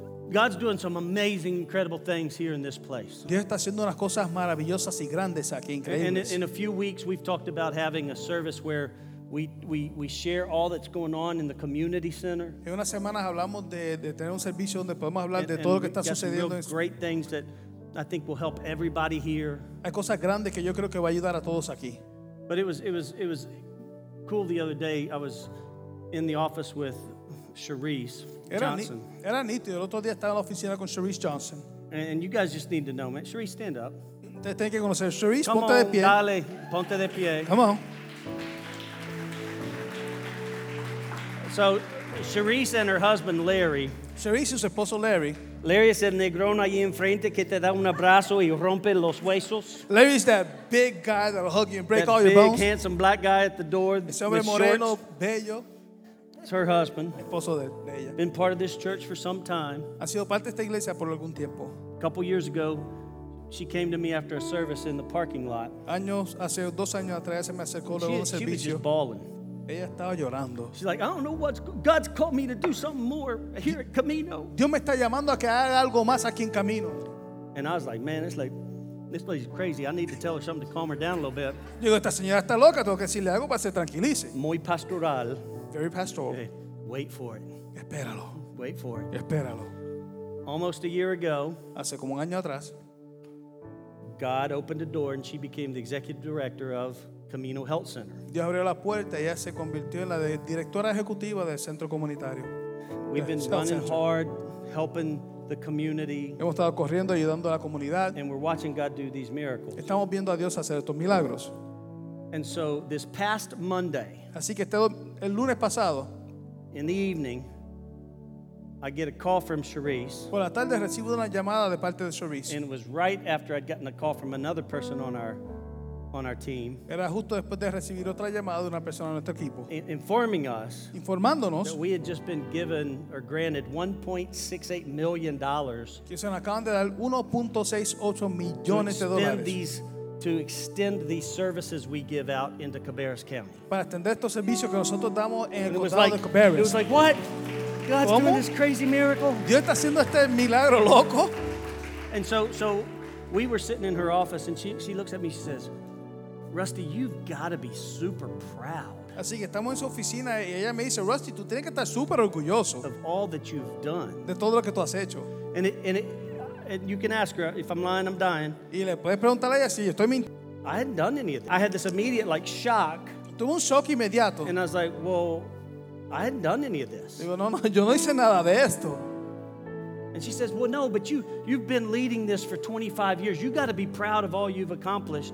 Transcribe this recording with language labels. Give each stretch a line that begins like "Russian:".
English: God's doing some amazing, incredible things here in this place.
Spanish: Dios está haciendo unas cosas maravillosas y grandes aquí, increíbles.
English: And in a few weeks, we've talked about having a service where we share all that's going on in the community center.
Spanish: En unas semanas hablamos de tener un servicio donde podemos hablar de todo lo que está sucediendo.
English: Great things that I think will help everybody here.
Spanish: Hay cosas grandes que yo creo que va a ayudar a todos aquí.
English: But it was cool the other day. I was in the office with Sharice Johnson.
Spanish: Era nito. El otro día estaba en la oficina con Sharice Johnson.
English: And you guys just need to know, man. Sharice, stand up.
Spanish: Te tienes que conocer. Sharice, ponte de pie.
English: Come on,
Spanish: dale, ponte de pie.
English: Come on. So, Sharice and her husband Larry.
Spanish: Sharice y su esposo Larry. Larry es el negrón allí enfrente que te da un abrazo y rompe los huesos.
English: Larry is that big guy that will hug you and break that all your bones. That big, handsome black guy at the door.
Spanish: Ese hombre moreno, bello.
English: It's her husband.
Spanish: Esposo de ella.
English: Been part of this church for some time.
Spanish: Ha sido parte de esta iglesia por algún tiempo.
English: A couple years ago, she came to me after a service in the parking lot.
Spanish: Años, hace dos años atrás, se me acercó luego del servicio.
English: She was just bawling.
Spanish: Ella estaba llorando.
English: She's like, I don't know what God's called me to do something more here at Camino.
Spanish: Dios me está llamando a que haga algo más aquí en Camino.
English: And I was like, man, it's like this place is crazy. I need to tell her something to calm her down a little bit.
Spanish: Yo digo, esta señora está loca, tengo que decirle algo para que se tranquilice. Muy pastoral.
English: Very pastoral. Okay. Wait for it.
Spanish: Espéralo.
English: Wait for it.
Spanish: Espéralo.
English: Almost a year ago,
Spanish: hace como un año atrás,
English: God opened a door and she became the executive director of Camino Health Center.
Spanish: Dios abrió la puerta y ella se convirtió en la directora ejecutiva del centro comunitario.
English: We've been running hard, helping the community.
Spanish: Hemos estado corriendo ayudando a la comunidad.
English: And we're watching God do these miracles.
Spanish: Estamos viendo a Dios hacer estos milagros.
English: And so this past Monday,
Spanish: así que el lunes pasado,
English: in the evening, I get a call from Sharice.
Spanish: Por la tarde recibo una llamada de parte de Sharice.
English: And it was right after I'd gotten a call from another person on our team.
Spanish: Era justo después de recibir otra llamada de una persona de nuestro equipo.
English: Informing us.
Spanish: Informándonos.
English: That we had just been given or granted $1.68 million.
Spanish: Que se nos acaban de dar 1.68 millones de dólares.
English: To extend these services we give out into Cabarrus County.
Spanish: Para extender estos servicios que nosotros damos en el condado
English: like,
Spanish: de Cabarrus.
English: It was like, what? God's
Spanish: ¿Cómo?
English: Doing this crazy miracle.
Spanish: Dios está haciendo este milagro loco.
English: And so we were sitting in her office and she looks at me, she says, Rusty, you've got to be super proud.
Spanish: Así que estamos en su oficina y ella me dice, Rusty, tú tienes que estar super orgulloso.
English: Of all that you've done.
Spanish: De todo lo que tú has hecho.
English: And you can ask her if I'm lying, I'm dying.
Spanish: Y le puedes preguntar a ella si estoy mintiendo.
English: I hadn't done anything. I had this immediate like shock.
Spanish: Tuve un shock inmediato.
English: And I was like, well, I hadn't done any of this.
Spanish: Digo, no, yo no hice nada de esto.
English: And she says, well, no, but you've been leading this for 25 years. You got to be proud of all you've accomplished.